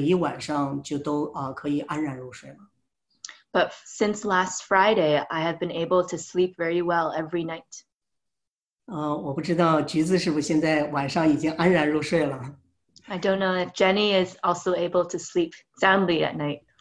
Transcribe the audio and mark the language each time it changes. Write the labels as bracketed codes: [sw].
[zh] 但是从那个周五到现在，我就晚上就每一晚上就都可以安然入睡了。 [en] But since last Friday, I have been able to sleep very well every night. [zh] 我不知道橘子是不是现在晚上已经安然入睡了。 [en] I don't know if Jenny is also able to sleep soundly at night.